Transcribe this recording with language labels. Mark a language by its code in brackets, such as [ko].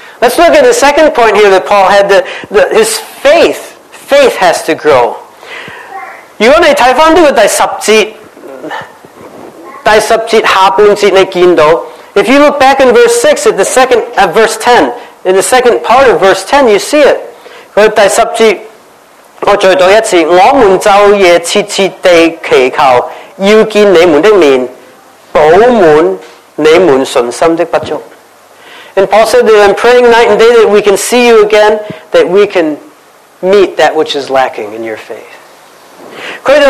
[en] Let's look at the second point here that Paul had, his faith has to grow. [zh] 如果你看回这个第十节下半节，你见到， [en] if you look back in verse 6, at the second, at verse 10, in the second part of verse 10, you see it. [zh] 第十节， 我再读一次，我们昼夜切切地祈求，要见你们的面，补满你们信心的不足。 [en] And Paul said that I'm praying night and day that we can see you again, that we can meet that which is lacking in your faith.